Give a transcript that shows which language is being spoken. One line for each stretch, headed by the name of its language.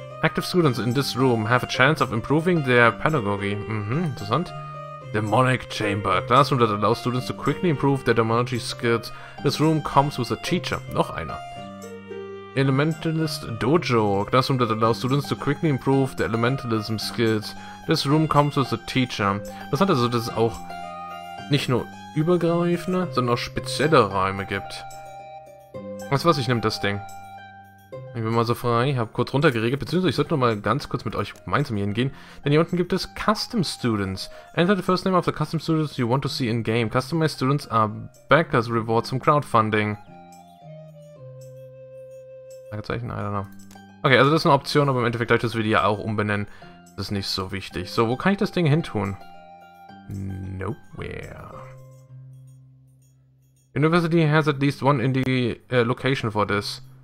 English: Active students in this room have a chance of improving their pedagogy.
German: Interessant.
English: Demonic Chamber, a classroom that allows students to quickly improve their demonology skills. This room comes with a teacher.
German: Noch einer.
English: Elementalist Dojo, a classroom that allows students to quickly improve their elementalism skills. This room comes with a teacher.
German: Das hat also, dass es auch nicht nur übergreifende, sondern auch spezielle Räume gibt. Was ich nehme das Ding. Ich bin mal so frei, ich habe kurz runtergeregelt, beziehungsweise ich sollte noch mal ganz kurz mit euch gemeinsam hier hingehen. Denn hier unten gibt es Custom Students.
English: Enter the first name of the Custom Students you want to see in-game. Customized Students are backers rewards from Crowdfunding. Fragezeichen, I don't know.
German: Okay, also das ist eine Option, aber im Endeffekt darf ich das Video ja auch umbenennen. Das ist nicht so wichtig. So, wo kann ich das Ding hin tun?
English: Nowhere. University has at least one in the location for this.